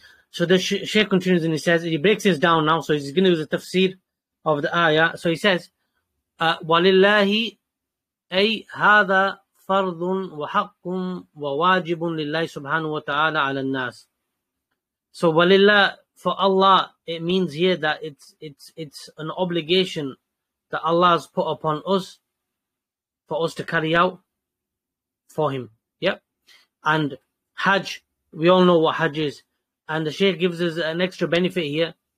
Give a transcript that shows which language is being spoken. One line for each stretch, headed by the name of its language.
English: So the Shaykh continues and he says, he breaks this down now, so he's going to use the tafsir of the ayah. So he says,
Arabic: وَلِلَّهِ أَيْ هَذَا فَرْضٌ وَحَقٌ وَوَاجِبٌ لِلَّهِ سُبْحَانُ وَتَعَالَى عَلَى النَّاسِ.
English: So وَلِلَّهِ, for Allah, it means here that it's an obligation that Allah has put upon us, for us to carry out for Him. Yep. And Hajj, we all know what Hajj is. And the Shaykh gives us an extra benefit here.